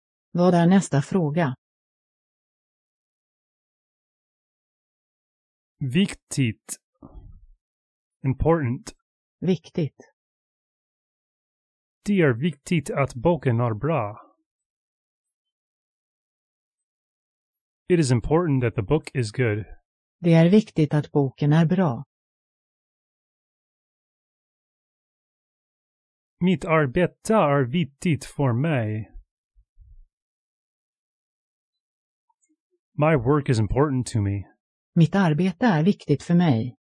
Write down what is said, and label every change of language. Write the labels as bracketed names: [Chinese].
[Swedish] Vad är nästa fråga? Viktigt. [English] Important. [Swedish] Viktigt. Det är viktigt att boken är bra. [English] It is important that the book is good. [Swedish] Det är viktigt att boken är bra. Mitt arbete är viktigt för mig. [English] My work is important to me. [Swedish] Mitt arbete är viktigt för mig.